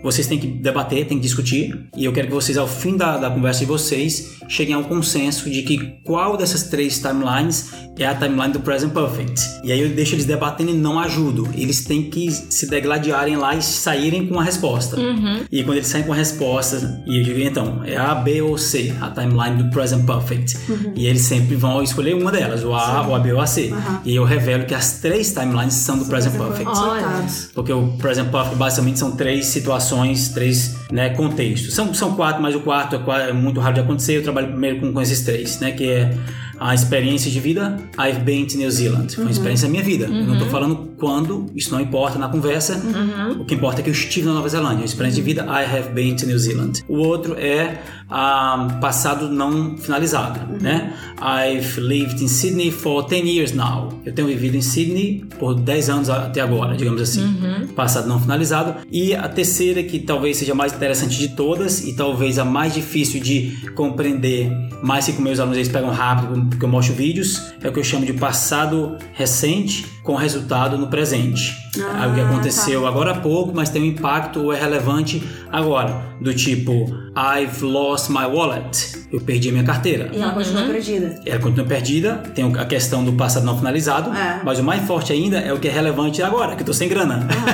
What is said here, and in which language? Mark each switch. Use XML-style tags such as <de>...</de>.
<pt>Vocês têm que debater, têm que discutir, e eu quero que vocês, ao fim da conversa de vocês, cheguem a um consenso de que qual dessas 3 timelines é a timeline do present perfect. E aí eu deixo eles debatendo e não ajudo. Eles têm que se degladiarem lá e saírem com a resposta. E quando eles saem com a resposta, e eu digo, então, é A, B ou C, a timeline do present perfect. E eles sempre vão escolher uma delas, o A, o A, B ou a C. E eu revelo que as 3 timelines são do present perfect. Porque o present perfect basicamente são 3 situações, 3, né, contextos. São 4, mas o 4 é muito raro de acontecer. Eu trabalho primeiro com esses 3, né, que é a experiência de vida,</pt> <en>I've been to New Zealand.</en> <pt>Foi uma experiência da minha vida. Eu não tô falando quando, isso não importa na conversa. O que importa é que eu estive na Nova Zelândia. A experiência de vida,</pt> <en>I have been to New Zealand.</en> <pt>O outro é passado não finalizado, né?</pt> <en>I've lived in Sydney for 10 years now.</en> <pt>Eu tenho vivido em Sydney por 10 anos até agora, digamos assim. Passado não finalizado. E a terceira, que talvez seja a mais interessante de todas e talvez a mais difícil de compreender, mas que com meus alunos eles pegam rápido porque eu mostro vídeos, é o que eu chamo de passado recente com resultado no presente. Algo que aconteceu agora há pouco, mas tem um impacto ou é relevante agora.</pt> <en>Do tipo, I've lost my wallet.</en> <pt>Eu perdi a minha carteira. E ela continua perdida. Ela continua perdida. Tem a questão do passado não finalizado. É. Mas o mais forte ainda é o que é relevante agora, que eu tô sem grana.</pt>